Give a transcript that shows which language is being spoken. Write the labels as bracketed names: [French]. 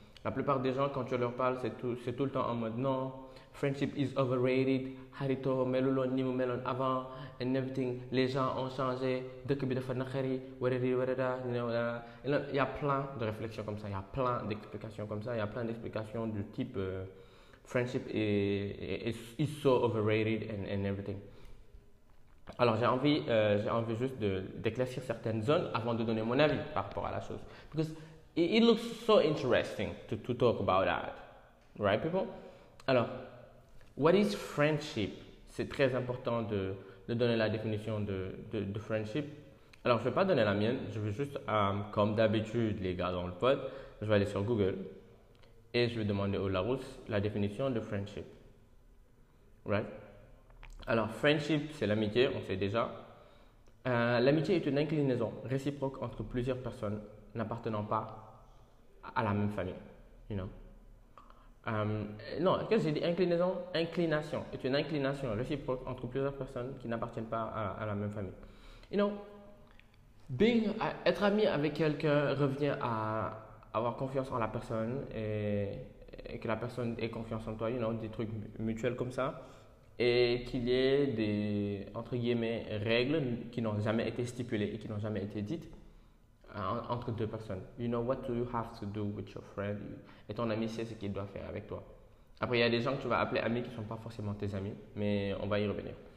[French] La plupart des gens, quand tu leur parles, c'est tout le temps en mode, non, [English] friendship is overrated, [French] harito, melulo, nimu, melon, avant, [English] and everything, [French] les gens ont changé, dekubidafanakari, wadadi, wadada, [English] you know, [French] il y a plein de réflexions comme ça, il y a plein d'explications comme ça, il y a plein d'explications du type, [English] friendship is so overrated and everything. [French] Alors j'ai envie juste d'éclaircir certaines zones avant de donner mon avis par rapport à la chose. [English] Because it looks so interesting to talk about that, right people? Alors, what is friendship? [French] C'est très important de donner la définition de friendship. Alors je ne vais pas donner la mienne, je vais juste, comme d'habitude les gars dans le pod, je vais aller sur Google et je vais demander au Larousse la définition de friendship, right? Alors, friendship, c'est l'amitié, on sait déjà. L'amitié est une inclinaison réciproque entre plusieurs personnes n'appartenant pas à la même famille. [English] You know? [French] Non, qu'est-ce que j'ai dit? Inclinaison? Inclination. C'est une inclination réciproque entre plusieurs personnes qui n'appartiennent pas à la même famille. [English] You know, [French] être ami avec quelqu'un revient à avoir confiance en la personne et que la personne ait confiance en toi. [English] You know, [French] des trucs mutuels comme ça. Et qu'il y ait des, entre guillemets, règles qui n'ont jamais été stipulées et qui n'ont jamais été dites entre deux personnes. [English] You know what you have to do with your friend. [French] Et ton ami sait ce qu'il doit faire avec toi. Après, il y a des gens que tu vas appeler amis qui ne sont pas forcément tes amis, mais on va y revenir.